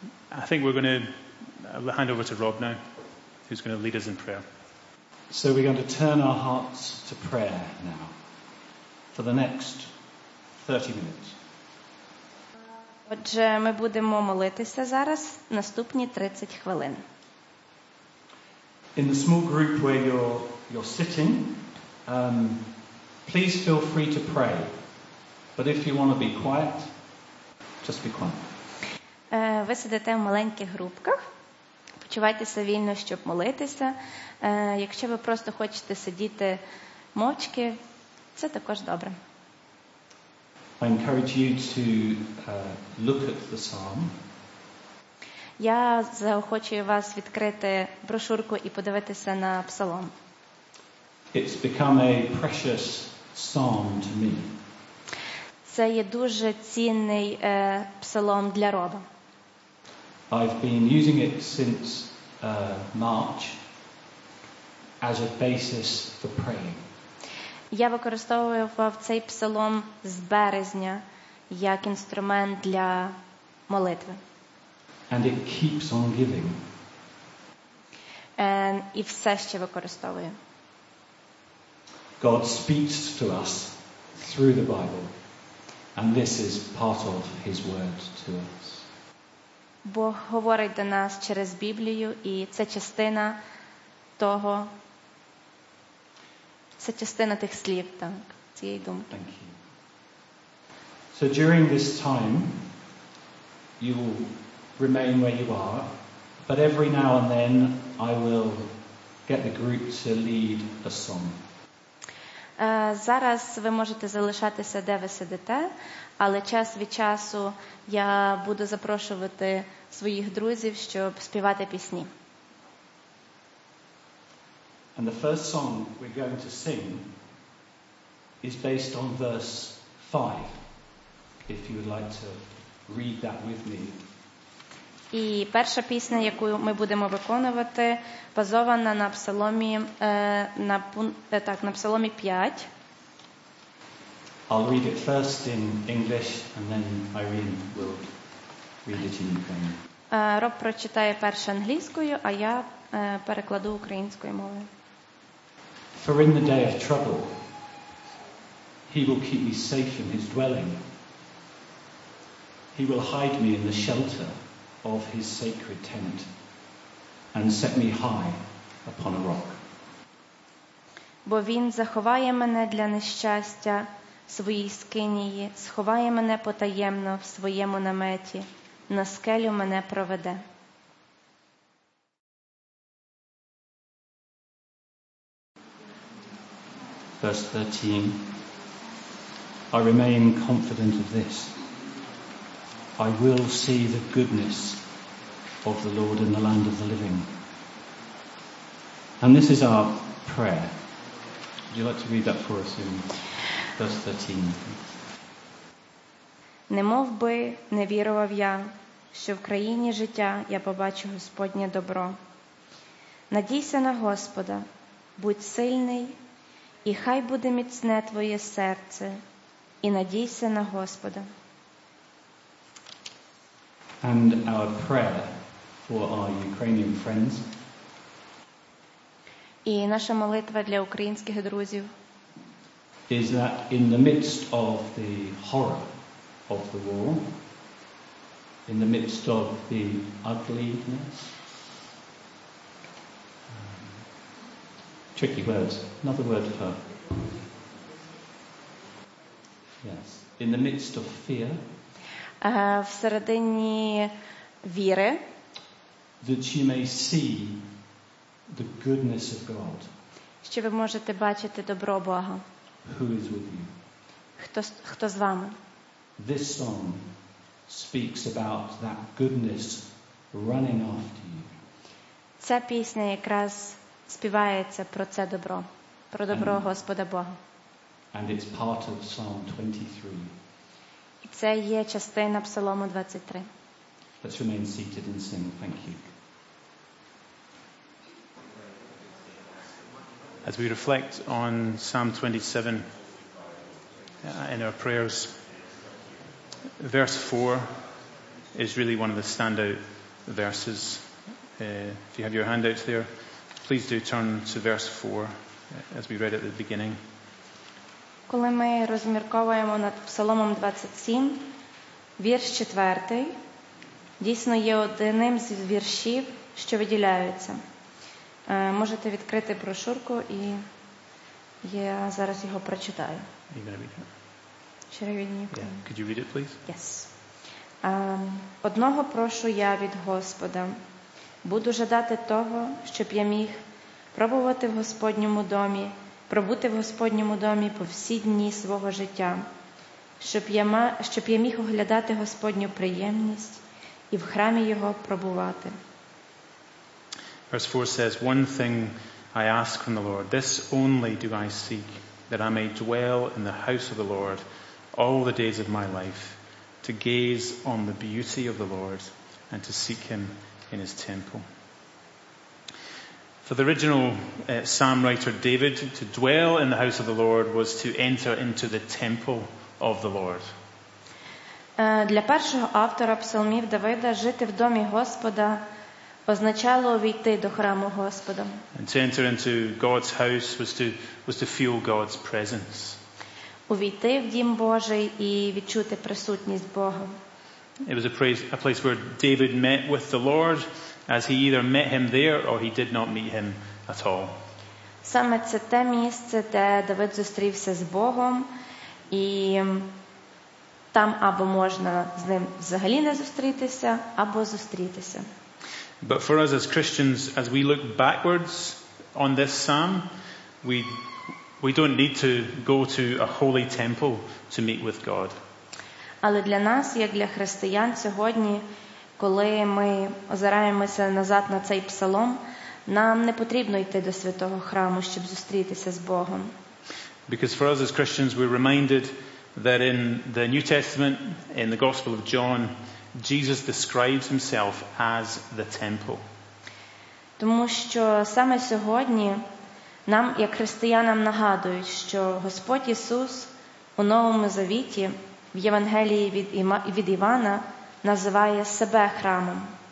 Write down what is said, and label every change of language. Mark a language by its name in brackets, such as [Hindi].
[English] I think we're going to hand over to Rob now, who's going to lead us in prayer. So we're going to turn our hearts to prayer now. for the next 30 minutes. [Ukrainian] Отже, ми будемо молитися зараз наступні 30 хвилин. [English] In the small group where you're sitting, please feel free to pray. But if you want to be quiet, just be quiet. [Ukrainian] Ви сидите в маленьких групках. Почувайтеся вільно, щоб молитися. Якщо ви просто хочете сидіти мовчки, це також добре. [English] I encourage you to look at the psalm. [Ukrainian] Я заохочую вас відкрити брошурку і подивитися на псалом. [English] It's become a precious psalm to me. [Ukrainian] Це є дуже цінний псалом для Роба. [English] I've been using it since March as a basis for praying. [Ukrainian] Я використовував цей псалом з березня як інструмент для молитви. [English] And it keeps on giving. [Ukrainian] І все ще використовую. [English] God speaks to us through the Bible. And this is part of his word to us. [Ukrainian] Бог говорить до нас через Біблію, і це частина того. Це частина тих слів, так, цієї думки. [English] Thank you. So during this time, you will remain where you are, but every now and then I will get the group to lead a song. [Ukrainian] Зараз ви можете залишатися, де ви сидите, але час від часу я буду запрошувати своїх друзів, щоб співати пісні. [English] And the first song we're going to sing is based on verse 5. If you would like to read that with me. [Ukrainian] І перша пісня, яку ми будемо виконувати, базована на псаломі, на псаломі 5. [English] I'll read it first in English and then Irene will read it in Ukrainian. [Ukrainian] Роб прочитає перше англійською, а я перекладу українською мовою. [English] For in the day of trouble, he will keep me safe in his dwelling. He will hide me in the shelter of his sacred tent and set me high upon a rock. [Ukrainian] Бо він заховає мене для нещастя в своїй скинії, сховає мене потаємно в своєму наметі, на скелю мене проведе. [English] Verse 13, I remain confident of this. I will see the goodness of the Lord in the land of the living. And this is our prayer. Would you like to read that for us in verse 13? [Ukrainian] Не мов би не вірував я, що в країні життя я побачу Господнє добро. Надійся на Господа, будь сильний, і хай буде міцне твоє серце, і надійся на Господа. [English] And our prayer for our Ukrainian friends. [Ukrainian] І наша молитва для українських друзів. [English] Is that in the midst of the horror of the war, in the midst of the ugliness, tricky words. Another word for. Yes. In the midst of fear. [Ukrainian] В середині віри. [English] That you may see the goodness of God. [Ukrainian] Що ви можете бачити добро Бога. [English] Who is with you? [Ukrainian] Хто з вами? [English] This song speaks about that goodness running after you. [Ukrainian] Ця пісня якраз співається про це добро, про добро Господа Бога. [English] And it's part of Psalm 23. [Ukrainian] І це є частина Псалому 23. [English] Let's remain seated and sing. Thank you. As we reflect on Psalm 27 in our prayers, verse 4 is really one of the standout verses. If you have your handouts there, please do turn to verse 4 as we read at the beginning. [Ukrainian] Коли ми розмірковуємо над Псаломом 27, вірш 4, дійсно є одним з віршів, що виділяються. Можете відкрити брошурку, і я зараз його прочитаю. Черевінні. [English] Yeah. Could you read it, please? Yes. [Ukrainian] Одного прошу я від Господа. Буду жадати того, щоб я міг пробувати в Господньому домі, пробути в Господньому домі по всі дні свого життя, щоб я міг оглядати Господню приємність і в храмі Його пробувати. [English] Verse 4 says, one thing I ask from the Lord, this only do I seek, that I may dwell in the house of the Lord all the days of my life, to gaze on the beauty of the Lord and to seek Him in His temple. For the original psalm writer David, to dwell in the house of the Lord was to enter into the temple of the Lord. [Ukrainian] Для першого автора псалмів Давида жити в домі Господа означало увійти до храму Господа. [English] And to enter into God's house was to feel God's presence. [Ukrainian] Увійти в дім Божий і відчути присутність Бога. [English] It was a place where David met with the Lord, as he either met him there or he did not meet him at all. [Ukrainian] Саме це те місце, де Давид зустрівся з Богом, і там або можна з ним взагалі не зустрітися, або зустрітися. [English] But for us as Christians, as we look backwards on this psalm, we don't need to go to a holy temple to meet with God. [Ukrainian] Але для нас, як для християн сьогодні, коли ми озираємося назад на цей псалом, нам не потрібно йти до святого храму, щоб зустрітися з Богом. [English] Because for us as Christians, we're reminded that in the New Testament, in the Gospel of John, Jesus describes himself as the temple. [Ukrainian] Тому що саме сьогодні нам, як християнам, нагадують, що Господь Ісус у Новому Завіті, в Євангелії від Івана, називає себе храмом.